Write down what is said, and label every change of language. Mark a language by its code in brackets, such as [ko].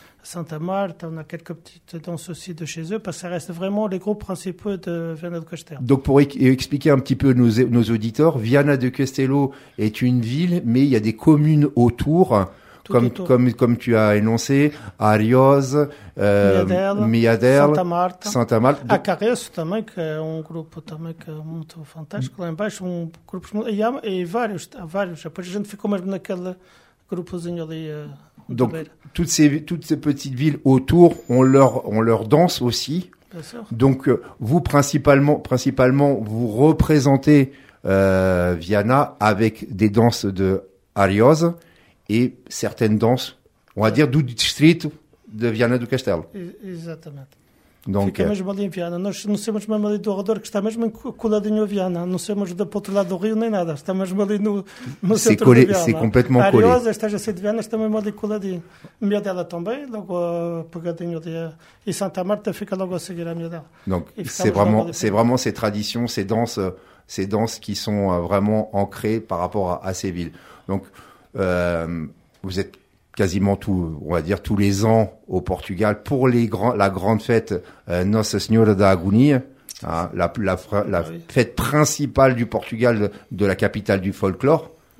[fr] Santa Marta, on a quelques petites danses aussi de chez eux, parce que ça reste vraiment les groupes principaux de Viana de Castello. Donc pour expliquer un petit peu nos auditeurs, Viana de Castello est une ville, mais il y a des communes autour, comme tu as énoncé, Arioz, Miadel, Santa Marta. Donc... [pt] Acarreço também, que é grupo também que é muito fantástico lá embaixo, grupos, há vários, depois a gente ficou mesmo naquela... Grupozinho ali, [fr] donc toutes ces petites villes autour ont leur danse aussi. Bien sûr. Donc vous principalement vous représentez Viana avec des danses de Arioz et certaines danses, on va dire du district de Viana do Castelo. Exactement. [pt] Donc fica mesmo ali em Viana. Nós não somos mesmo ali do redor, que está mesmo coladinho a Viana. Não somos do outro lado do rio nem nada. Está mesmo ali no centro de Viana. [fr] C'est complètement colé. [pt] Arioz, esta gente de Viana, está mesmo ali coladinho. Miadela também, logo pegadinho de... E Santa Marta fica logo a seguir a Miadela. [fr] Donc, c'est vraiment ces traditions, ces danses qui sont vraiment ancrées par rapport à ces villes. Donc, vous êtes... quasiment tout, on va dire, tous les ans au Portugal pour la grande fête Nossa Senhora da Agonia, hein, la fête principale du Portugal, de la capitale du folklore.